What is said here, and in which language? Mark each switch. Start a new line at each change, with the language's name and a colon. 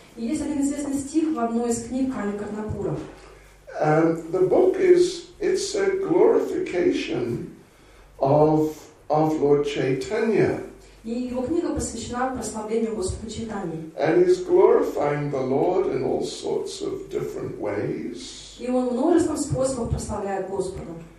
Russian: Есть один известный стих в одной из книг Кали Карнапура.
English: The book is it's a glorification of Lord Chaitanya.
Russian: И его книга посвящена прославлению Господа Чайтаньи.
English: And he's glorifying the Lord in all sorts of different ways.
Russian: И он множеством способов прославляет Господа.